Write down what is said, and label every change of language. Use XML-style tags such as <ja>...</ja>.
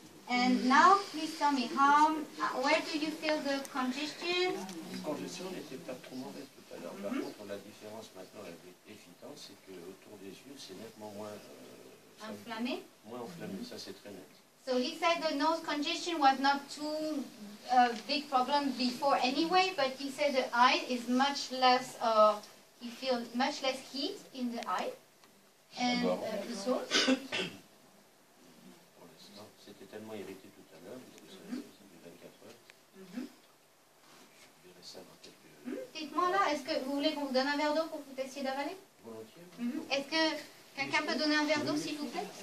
<en>And now please tell me where do you feel the congestion?</en> <fr>Congestion n'était pas trop mauvaise tout à l'heure. Par contre, la différence maintenant avec l'évidence, c'est que autour des yeux, c'est nettement moins enflammé. Moins enflammé, ça c'est très net.</fr> <en>So he said the nose congestion was not too big problem before anyway, but he said the eye is much less, he feels much less heat in the eye. And the throat.</en> <fr>Pour l'instant, c'était tellement irrité tout à l'heure, parce que ça a duré 24 heures. Je verrai ça dans quelques... Dites-moi là, Est-ce que vous voulez qu'on vous donne un verre d'eau pour que vous puissiez d'avaler? Volontiers. Est-ce que quelqu'un peut donner un verre d'eau, s'il vous plaît?</fr>